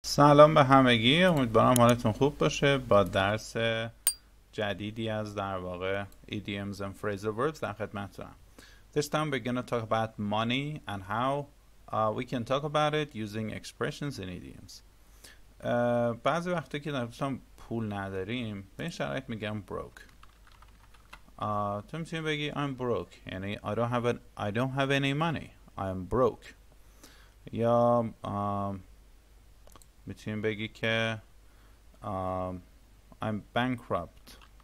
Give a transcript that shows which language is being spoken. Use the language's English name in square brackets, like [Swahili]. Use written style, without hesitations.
[Persian] سلام به همگی، امیدوارم حالتون خوب باشه. با درس جدیدی از در واقع [English] idioms and phrasal verbs [Persian] در خدمتتونم. [English] This time we're going to talk about money and how we can talk about it using expressions and idioms. [Persian] بعضی وقتا که دوستان پول نداریم به این شرایط میگم broke. تو میتونی بگی [English] I'm broke، [Persian] یعنی [English] I don't have any money. I'm broke. [Persian] یا میتونیم بگی که [English] I'm bankrupt.